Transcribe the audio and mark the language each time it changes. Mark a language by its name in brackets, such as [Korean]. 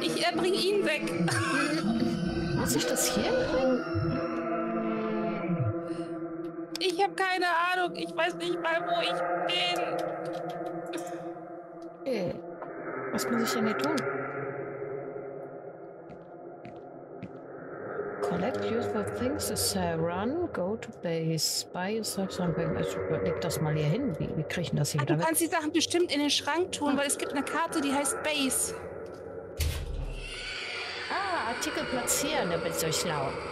[German] Ich bringe ihn weg. Muss ich das hier bringen? Ich habe keine Ahnung. Ich weiß nicht mal, wo ich bin. Was muss ich denn hier tun? [English] Collect useful things, run, go to base, buy yourself something. [German] Also, leg das mal hier hin. Wie kriege ich denn das hier? Ach, du kannst die Sachen bestimmt in den Schrank tun, weil es gibt eine Karte, die heißt Base. Artikel platzieren, da bin ich so schlau.